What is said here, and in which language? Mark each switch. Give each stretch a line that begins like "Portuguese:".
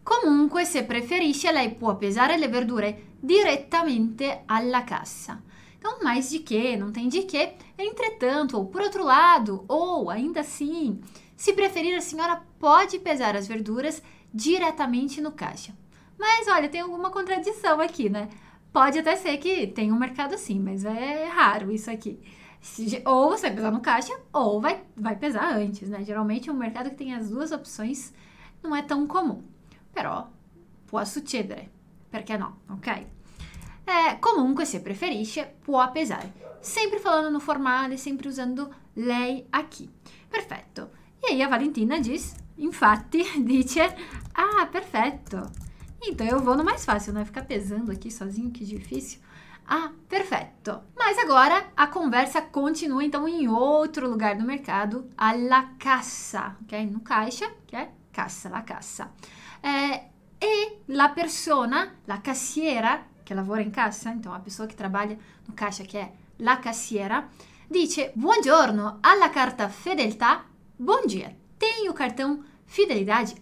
Italian: Comunque, se preferisce, lei può pesare le verdure direttamente alla cassa.
Portuguese: Então, mais de que, não tem de que. Entretanto, ou por outro lado, ou ainda assim, se preferir, a senhora pode pesar as verduras diretamente no caixa. Mas, olha, tem alguma contradição aqui, né? Pode até ser que tenha um mercado assim, mas é raro isso aqui. Ou você vai pesar no caixa, ou vai pesar antes, né? Geralmente, um mercado que tem as duas opções não é tão comum.
Italian: Però, può succedere. Perché no, ok? É, comunque, se preferisce, può pesare.
Portuguese: Sempre falando no formale, sempre usando lei aqui.
Italian: Perfetto.
Portuguese: E aí a Valentina diz,
Italian: infatti, dice, ah, perfetto.
Portuguese: Então eu vou no mais fácil, né? Ficar pesando aqui sozinho, que difícil.
Italian: Ah, perfetto.
Portuguese: Mas agora a conversa continua, então, em outro lugar do mercado,
Italian: alla cassa,
Portuguese: ok? No caixa, que é cassa,
Italian: la cassa.
Portuguese: É,
Italian: e la persona, la cassiera,
Portuguese: que
Italian: lavora in cassa,
Portuguese: então a pessoa che trabalha no caixa,
Italian: che è la cassiera, dice, buongiorno, alla carta fedeltà,
Portuguese: bom dia, tem o cartão fidelidade?